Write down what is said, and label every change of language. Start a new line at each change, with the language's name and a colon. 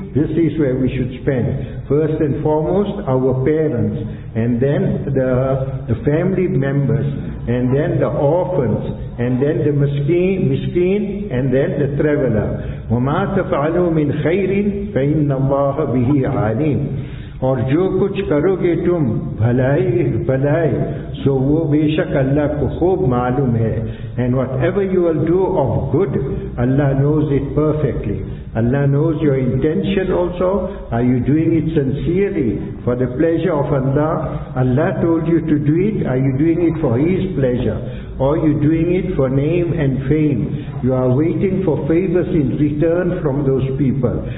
English: This is where we should spend. First and foremost, our parents, and then the family members, and then the orphans, and then the miskeen, and then the traveler.
Arabic: وَمَا تَفْعَلُوا مِنْ خَيْرٍ فَإِنَّ اللَّهَ بِهِ عَلِيمٌ.
Urdu: اور جو کچھ کرو گے تم بھلائی سو وہ بے شک اللہ کو خوب معلوم ہے.
English: And whatever you will do of good, Allah knows it perfectly. Allah knows your intention also. Are you doing it sincerely for the pleasure of Allah? Allah told you to do it. Are you doing it for His pleasure? Or are you doing it for name and fame? You are waiting for favors in return from those people.